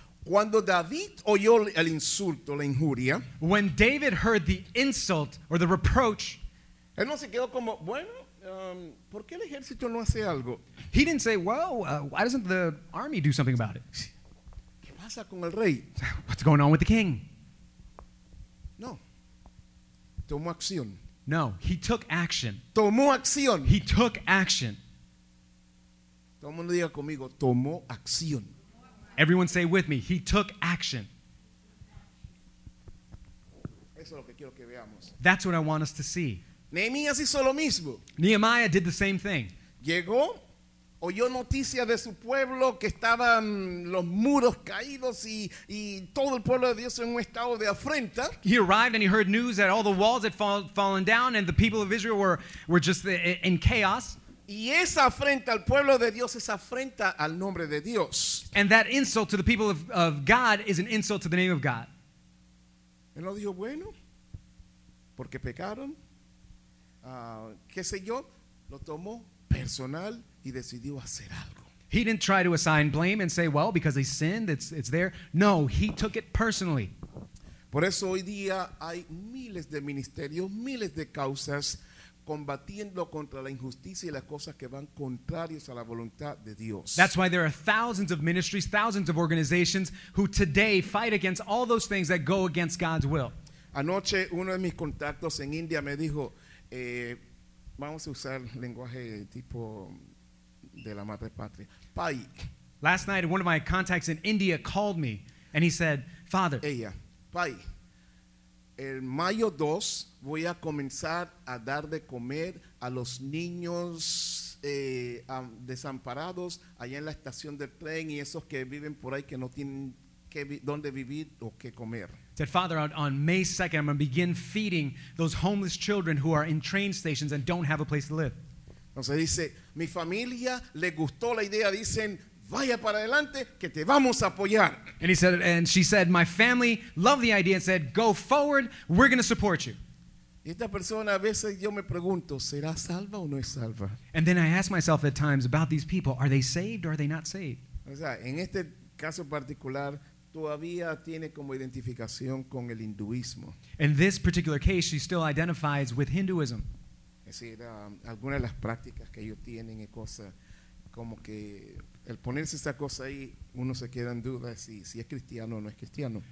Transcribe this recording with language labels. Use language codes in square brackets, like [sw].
[es] Cuando David oyó el insulto, la injuria, [en] when David heard the insult or the reproach, [es] él no se quedó como, bueno, ¿por qué el ejército no hace algo? [en] He didn't say, well, why doesn't the army do something about it? [es] ¿Qué pasa con el rey? [en] What's going on with the king? [es] No. Tomó acción. [en] No, he took action. [es] Tomó acción. [en] He took action. [es] Todo el mundo diga conmigo, tomó acción. [en] Everyone say with me, he took action. [es] Eso es lo que quiero que veamos. [en] That's what I want us to see. [es] Nehemías hizo lo mismo. [en] Nehemiah did the same thing. [es] Llegó, oyó noticias de su pueblo que estaban los muros caídos y todo el pueblo de Dios en un estado de afrenta. [en] He arrived and he heard news that all the walls had fallen down and the people of Israel were just in chaos. [es] Y esa afrenta al pueblo de Dios es afrenta al nombre de Dios. [en] And that insult to the people of God is an insult to the name of God. [es] Él no dijo, bueno, porque pecaron. Qué sé yo, lo tomó personal y decidió hacer algo. [en] He didn't try to assign blame and say, well, because they sinned, it's there. No, he took it personally. [es] Por eso hoy día hay miles de ministerios, miles de causas combatiendo contra la injusticia y las cosas que van contrarios a la voluntad de Dios. [en] That's why there are thousands of ministries, thousands of organizations who today fight against all those things that go against God's will. [es] Anoche uno de mis contactos en India me dijo, vamos a usar lenguaje tipo de la madre patria. Pai. [en] Last night, one of my contacts in India called me and he said, Father, [es] ella, Pai, el mayo 2 voy a comenzar a dar de comer a los niños desamparados allá en la estación de tren y esos que viven por ahí que no tienen que donde vivir o que comer. [en] Said, Father, on May 2nd, I'm going to begin feeding those homeless children who are in train stations and don't have a place to live. [es] Entonces dice, mi familia le gustó la idea, dicen, vaya para adelante que te vamos a apoyar. [en] And he said, and she said, my family loved the idea and said, go forward, we're going to support you. [es] Y esta persona a veces yo me pregunto, ¿será salva o no es salva? [en] And then I ask myself at times about these people, are they saved or are they not saved? [es] O sea, en este caso particular, todavía tiene como identificación con el hinduismo. [en] In this particular case, she still identifies with Hinduism. [es] Es decir, algunas de las prácticas que ellos tienen y cosas, como que el ponerse esa cosa ahí, uno se queda en duda si es cristiano o no es cristiano.